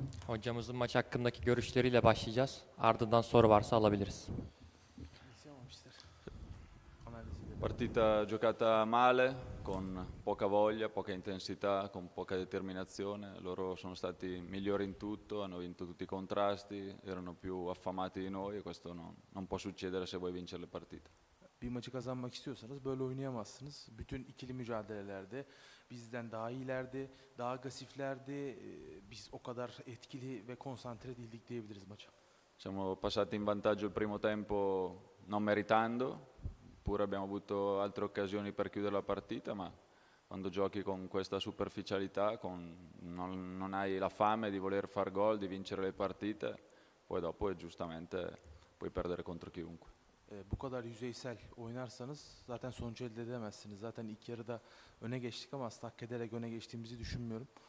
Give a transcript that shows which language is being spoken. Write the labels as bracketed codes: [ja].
[tr] Hocamızın maç hakkındaki görüşleriyle başlayacağız. Ardından soru varsa alabiliriz. [it] Partita giocata male, con poca voglia, poca intensità, con poca determinazione. Loro sono stati migliori in tutto, hanno vinto tutti i contrasti, erano più affamati di noi e questo non può succedere se vuoi vincere le partite. [tr] Bir maçı kazanmak istiyorsanız böyle oynayamazsınız. Bütün ikili mücadelelerde bizden daha iyilerdi, daha agresiflerdi. Biz o kadar etkili ve konsantre değildik diyebiliriz maça. [it] Siamo passati in vantaggio il primo tempo non meritando. Pure abbiamo avuto altre occasioni per chiudere la partita, ma quando giochi con questa superficialità, non hai la fame di voler far gol, di vincere le partite, poi dopo giustamente puoi perdere contro chiunque. [tr] Bu kadar yüzeysel oynarsanız zaten sonuç elde edemezsiniz. Zaten ilk yarıda öne geçtik ama asla hak ederek öne geçtiğimizi düşünmüyorum.